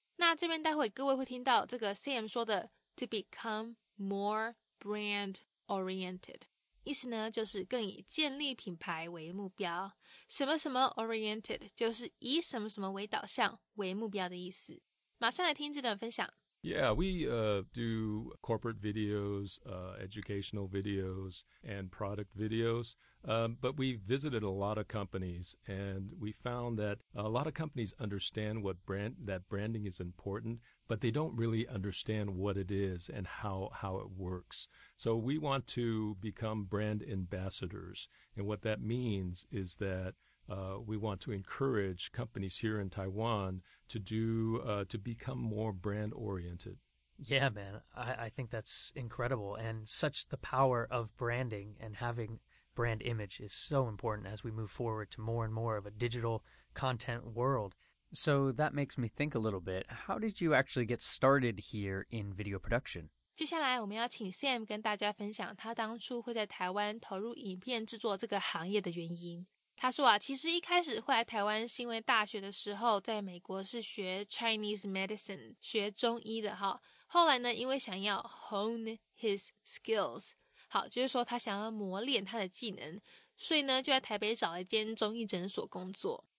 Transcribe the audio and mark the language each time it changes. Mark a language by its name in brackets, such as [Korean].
[Chinese] 那这边待会各位会听到这个 Sam 说的 [English] to become more brand oriented, [Chinese] 意思呢就是更以建立品牌为目标，什么什么 oriented 就是以什么什么为导向为目标的意思。马上来听这段分享。 [English] Yeah, we do corporate videos, educational videos, and product videos, but we visited a lot of companies, and we found that a lot of companies understand that branding is important, but they don't really understand what it is and how it works. So we want to become brand ambassadors, and what that means is that we want to encourage companies here in Taiwan to become more brand-oriented. Yeah, man, I think that's incredible, and such the power of branding and having brand image is so important as we move forward to more and more of a digital content world. So that makes me think a little bit. How did you actually get started here in video production? [Chinese] 接下来我们要请 Sam 跟大家分享他当初会在台湾投入影片制作这个行业的原因。他说啊，其实一开始会来台湾是因为大学的时候在美国是学 [English] Chinese medicine, [Chinese] 学中医的哈。后来呢，因为想要 [English] hone his skills, [Chinese] 好，就是说他想要磨练他的技能，所以呢就在台北找了一间中医诊所工作。